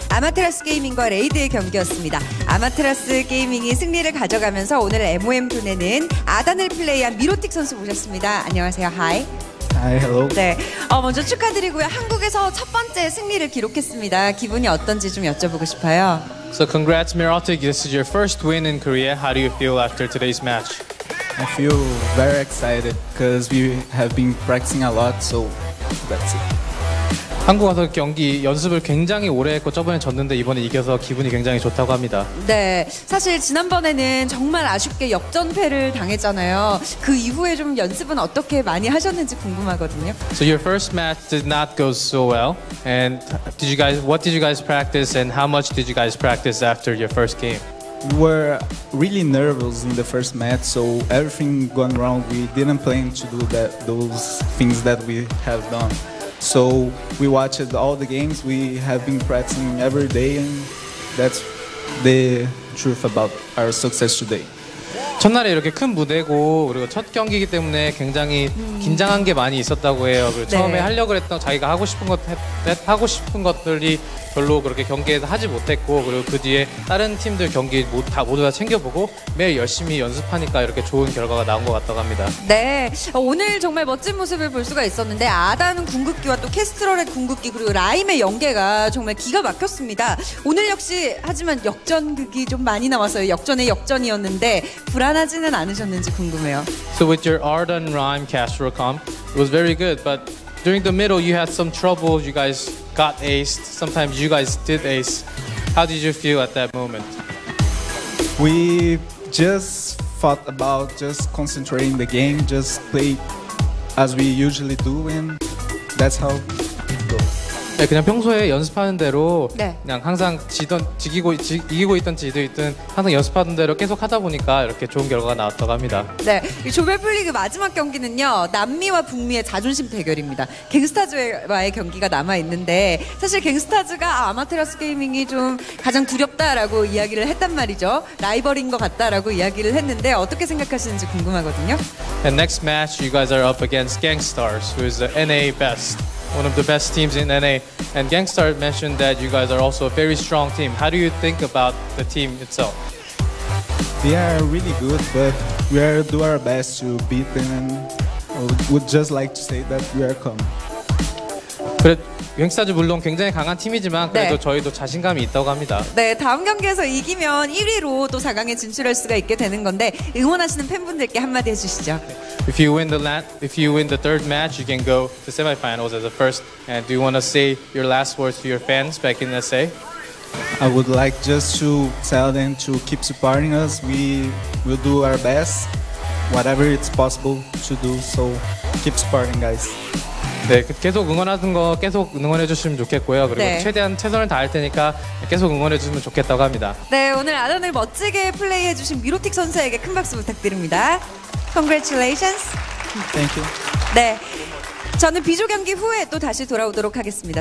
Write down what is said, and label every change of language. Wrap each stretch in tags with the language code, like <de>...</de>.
<ko>아마테라스 게이밍과 레이드의 경기였습니다. 아마테라스 게이밍이 승리를 가져가면서 오늘 MOM 분에는 아단을 플레이한 미로틱 선수 모셨습니다. 안녕하세요. 하이.</ko> <en>하이, 헬로.</en> <ko>네. 먼저 축하드리고요. 한국에서 첫 번째 승리를 기록했습니다. 기분이 어떤지 좀 여쭤보고 싶어요.</ko> <en>So congrats, Mirotic. This is your first win in Korea. How do you feel after today's match? I feel very excited because we have been practicing a lot, so that's it.</en> <ko>한국 와서 경기 연습을 굉장히 오래 했고 저번에 졌는데 이번에 이겨서 기분이 굉장히 좋다고 합니다. 네, 사실 지난번에는 정말 아쉽게 역전패를 당했잖아요. 그 이후에 좀 연습은 어떻게 많이 하셨는지 궁금하거든요.</ko> <en>So your first match did not go so well. And did you guys, what did you guys practice and how much did you guys practice after your first game? We were really nervous in the first match, so everything gone wrong. We didn't plan to do that, those things that we have done. So we watched all the games. We have been practicing every day, and that's the truth about our success today.</en> <ko>첫날에 이렇게 큰 무대고 그리고 첫 경기이기 때문에 굉장히 긴장한 게 많이 있었다고 해요. 그리고 네. 처음에 하려고 했던 자기가 하고 싶은 것 하고 싶은 것들이 별로 그렇게 경기에서 하지 못했고 그리고 그 뒤에 다른 팀들 경기 다 모두 다 챙겨보고 매일 열심히 연습하니까 이렇게 좋은 결과가 나온 것 같다고 합니다. 네, 오늘 정말 멋진 모습을 볼 수가 있었는데 아단 궁극기와 또 캐스트럴의 궁극기 그리고 라임의 연계가 정말 기가 막혔습니다. 오늘 역시 하지만 역전극이 좀 많이 나왔어요. 역전의 역전이었는데 불안하지는 않으셨는지 궁금해요.</ko> <en>So with your Arden Rhyme Casual Comp, it was very good, but during the middle you had some trouble. You guys got aced. Sometimes you guys did ace. How did you feel at that moment? We just thought about just concentrating the game, just play as we usually do, and that's how it goes.</en> <ko>네, 그냥 평소에 연습하는 대로 네. 그냥 항상 지던 지기고 지, 이기고 있던 지도 있든 항상 연습하는 대로 계속 하다 보니까 이렇게 좋은 결과가 나왔다고 합니다. 네, 조별플리그 마지막 경기는요 남미와 북미의 자존심 대결입니다. 갱스타즈와의 경기가 남아 있는데 사실 갱스타즈가 아마테라스 게이밍이 좀 가장 두렵다라고 이야기를 했단 말이죠. 라이벌인 것 같다라고 이야기를 했는데 어떻게 생각하시는지 궁금하거든요.</ko> <en>And next match, you guys are up against Gangstars, who is the NA best. One of the best teams in NA. And Gangstar mentioned that you guys are also a very strong team. How do you think about the team itself? They are really good, but we are do our best to beat them. And would just like to say that we are calm.</en> <ko>그래, 갱스타즈 물론 굉장히 강한 팀이지만 그래도 네. 저희도 자신감이 있다고 합니다. 네, 다음 경기에서 이기면 1위로 또 4강에 진출할 수가 있게 되는 건데 응원하시는 팬분들께 한마디 해주시죠.</ko> <en>If you win the if you win the third match, you can go to semifinals as a first. And do you want to say your last words to your fans back in SA? I would like just to tell them to keep supporting us. We will do our best, whatever it's possible to do. So keep supporting, guys.</en> <ko>네, 계속 응원하는 거 계속 응원해 주시면 좋겠고요. 그리고 네. 최대한 최선을 다할 테니까 계속 응원해 주시면 좋겠다고 합니다. 네, 오늘 아단을 멋지게 플레이해 주신 미로틱 선수에게 큰 박수 부탁드립니다.</ko> <en>Congratulations. Thank you.</en> <ko>네, 저는 비조 경기 후에 또 다시 돌아오도록 하겠습니다.</ko>